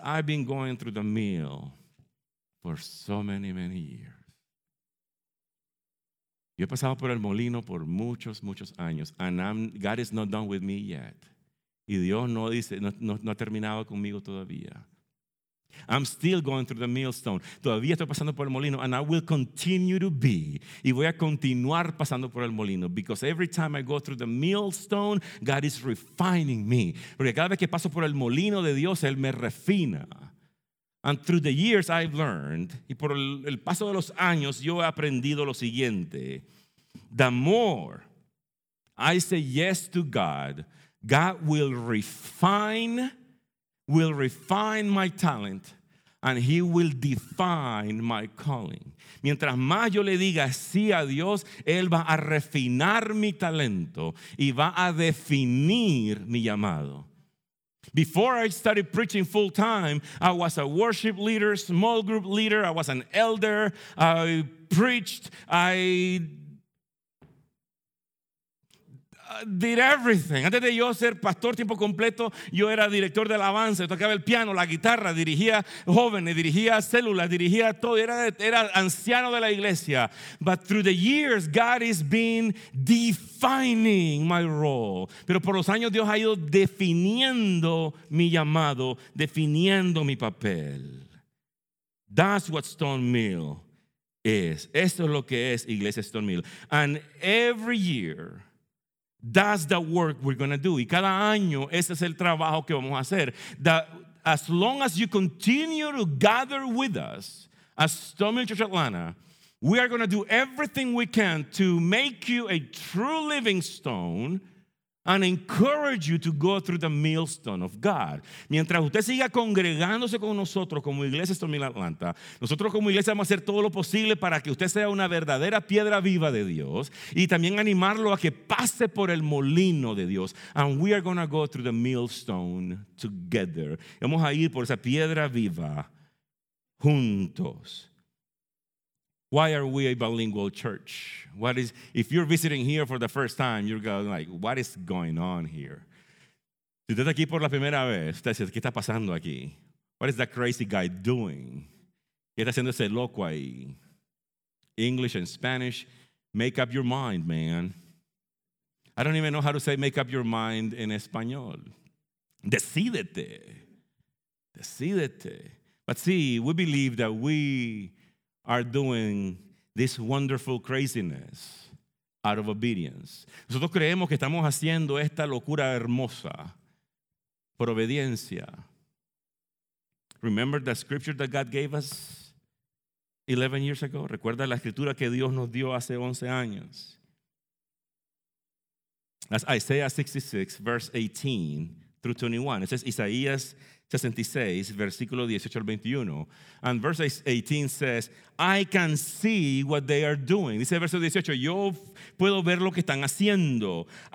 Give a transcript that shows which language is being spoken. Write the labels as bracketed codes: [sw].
[en] I've been going through the mill for so many, many years. [es] Yo he pasado por el molino por muchos, muchos años. [en] And God is not done with me yet. [es] Y Dios no dice, no ha terminado conmigo todavía. [en] I'm still going through the millstone. [es] Todavía estoy pasando por el molino, [en] and I will continue to be. [es] Y voy a continuar pasando por el molino, [en] because every time I go through the millstone, God is refining me. [es] Porque cada vez que paso por el molino de Dios, Él me refina. [en] And through the years I've learned, [es] y por el paso de los años, yo he aprendido lo siguiente. [en] The more I say yes to God, God will refine me. Will refine my talent and he will define my calling. [es] Mientras más yo le diga sí a Dios, él va a refinar mi talento y va a definir mi llamado. [en] Before I started preaching full time, I was a worship leader, small group leader, I was an elder, I preached, I did everything. [es] Antes de yo ser pastor tiempo completo, yo era director de alabanza, tocaba el piano, la guitarra, dirigía jóvenes, dirigía células, dirigía todo, era anciano de la iglesia. [en] But through the years, God has been defining my role. [es] Pero por los años Dios ha ido definiendo mi llamado, definiendo mi papel. [en] That's what Stone Mill is. [es] Esto es lo que es Iglesia Stone Mill. [en] And every year, that's the work we're going to do. [es] Y cada año, ese es el trabajo que vamos a hacer. [en] That as long as you continue to gather with us as Stone Mill Church Atlanta, we are going to do everything we can to make you a true living stone and encourage you to go through the millstone of God. [es] Mientras usted siga congregándose con nosotros como Iglesia Stone Mill Atlanta, nosotros como iglesia vamos a hacer todo lo posible para que usted sea una verdadera piedra viva de Dios y también animarlo a que pase por el molino de Dios. [en] And we are going to go through the millstone together. [es] Vamos a ir por esa piedra viva juntos. [en] Why are we a bilingual church? What is, if you're visiting here for the first time, you're going like, what is going on here? [es] Si usted está aquí por la primera vez, usted dice, ¿qué está pasando aquí? [en] What is that crazy guy doing? [es] ¿Qué está haciendo ese loco ahí? [en] English and Spanish, make up your mind, man. I don't even know how to say make up your mind in español. [es] Decídete. Decídete. [en] But see, we believe that we are doing this wonderful craziness out of obedience. [es] Nosotros creemos que estamos haciendo esta locura hermosa por obediencia. [en] Remember the scripture that God gave us? 11 years ago. [es] Recuerda la escritura que Dios nos dio hace 11 años. [en] That's Isaiah 66, verse 18 through 21. It says [es] Isaías 66, versículo 18 al 21. [en] And verse 18 says, I can see what they are doing. [es] Dice el verso 18, yo puedo ver lo que están haciendo.